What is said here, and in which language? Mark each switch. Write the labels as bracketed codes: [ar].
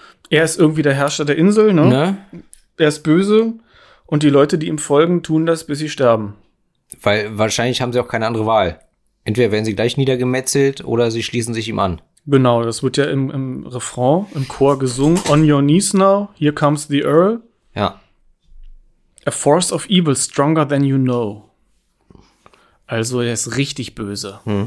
[de] Er ist irgendwie der Herrscher der Insel, ne? Ne? Er ist böse und die Leute, die ihm folgen, tun das, bis sie sterben. Weil wahrscheinlich haben sie auch keine andere Wahl. Entweder werden sie gleich niedergemetzelt oder sie schließen sich ihm an. Genau, das wird ja im Refrain, im Chor gesungen. [en] On your knees now, here comes the Earl. [de] Ja. [en] A force of evil stronger than you know. [de] Also er ist richtig böse.